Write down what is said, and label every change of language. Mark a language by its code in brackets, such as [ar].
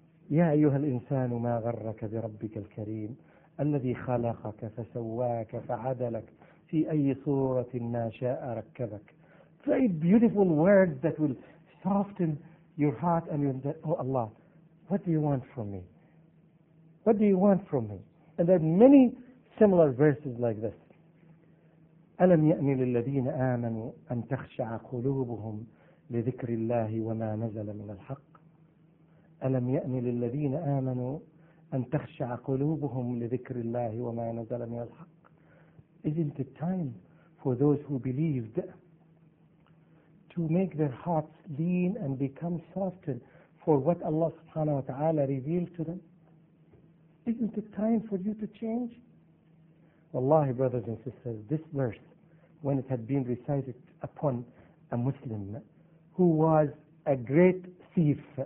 [ar] يَا أَيُّهَا الْإِنسَانُ مَا غَرَّكَ بِرَبِّكَ الْكَرِيمِ الَّذِي خَلَقَكَ فَسَوَّاكَ فَعَدَلَكَ فِي أَيِّ صُورَةٍ مَا شَاءَ رَكَّبَكَ. [en] Very beautiful words that will soften your heart and your heart. Oh Allah, what do you want from me? What do you want from me? And there are many similar verses like this. [ar] أَلَمْ يَأْنِ لِلَّذِينَ آمَنُوا أَن تَخْشَعَ قُلُوبُهُمْ لذكر الله وما نزل من الحق. ألم يأن للذين آمنوا أن تخشع قلوبهم لذكر الله وما نزل من الحق. [en] Isn't it time for those who believed to make their hearts lean and become softened for what Allah subhanahu wa ta'ala revealed to them? Isn't it time for you to change? Wallahi, brothers and sisters, this verse, when it had been recited upon a Muslim who was a great thief.